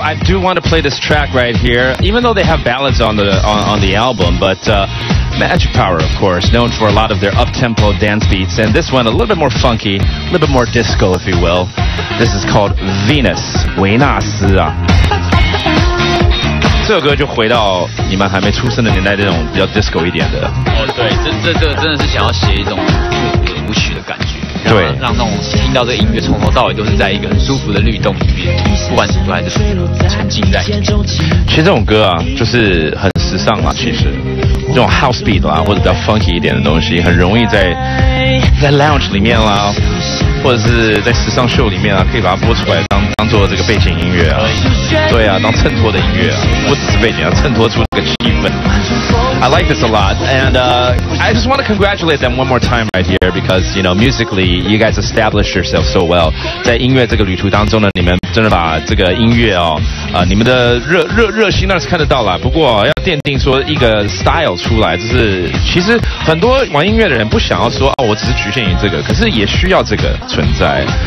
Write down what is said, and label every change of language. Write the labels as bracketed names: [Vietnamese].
[English] I do want to play this track right here, even though they have ballads on the album, but. Magic Power, of course, known for a lot of their up-tempo dance beats, and this one a little bit more funky, a little bit more disco, if you will. This is called Venus, 维纳斯啊。 [Chinese] 这首歌就回到你们还没出生的年代，这种比较 disco 一点的。哦，对，这真的是想要写一种舞曲的感觉。对，让那种听到这个音乐从头到尾都是在一个很舒服的律动里面，不管是还是沉浸在里面。其实这种歌啊，就是很时尚嘛，其实。这种 house beat 啦，或者比较 funky 一点的东西，很容易在 lounge 里面啦，或者是在时尚秀里面啊，可以把它播出来当做这个背景音乐啊，对啊，当衬托的音乐啊，不只是背景啊，衬托出这个气氛。 [English] I like this a lot, and I just want to congratulate them one more time right here because you know musically you guys established yourself so well. [Chinese] 在音乐这个旅途当中呢，你们真的把这个音乐哦，你们的热心那是看得到了。不过要奠定说一个 style 出来，就是其实很多玩音乐的人不想要说啊，我只是局限于这个，可是也需要这个存在。